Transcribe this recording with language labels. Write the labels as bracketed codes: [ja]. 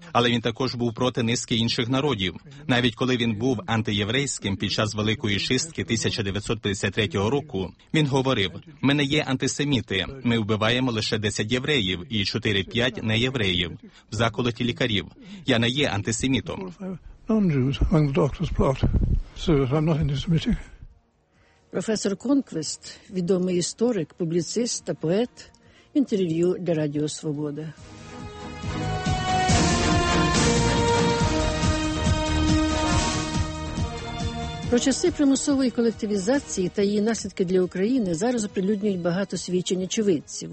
[uk] Але він також був проти низки інших народів. Навіть коли він був антиєврейським під час Великої чистки 1953 року, він говорив, ми не є антисеміти, ми вбиваємо лише 10 євреїв і 4-5 неєвреїв в заколоті лікарів. Я не є антисемітом. [en] Non-Jews among the doctor's plot, so I'm not anti-Semitic. [uk] Професор Конквіст, відомий історик, публіцист та поет, інтерв'ю для Радіо Свобода. Про часи примусової колективізації та її наслідки для України зараз оприлюднюють багато свідчень очевидців.